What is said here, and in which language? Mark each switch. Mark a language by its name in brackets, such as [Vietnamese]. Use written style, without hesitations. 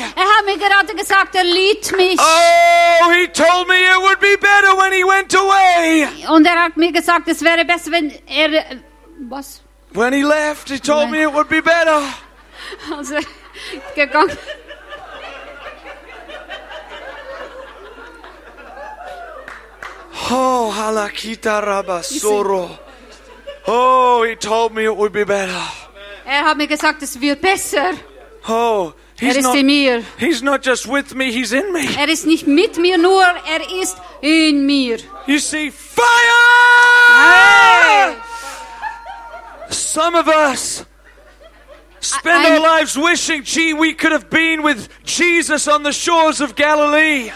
[German] Er hat mir gerade gesagt, er liebt mich. [English] Oh, he told me it would be better when he went away. [German] Und er hat mir gesagt, es wäre besser, wenn er was? [English] When he left, he told me it would be better. [German] Also gegangen. Oh, halakita raba soro. [English] Oh, he told me it would be better. [German] Er hat mir gesagt, es wird besser. Oh, er ist in mir. [English] He's not just with me, he's in me. [German] Er ist nicht mit mir nur, er ist in mir. [English] You see, fire! Some of us spend our lives wishing, gee, we could have been with Jesus on the shores of Galilee.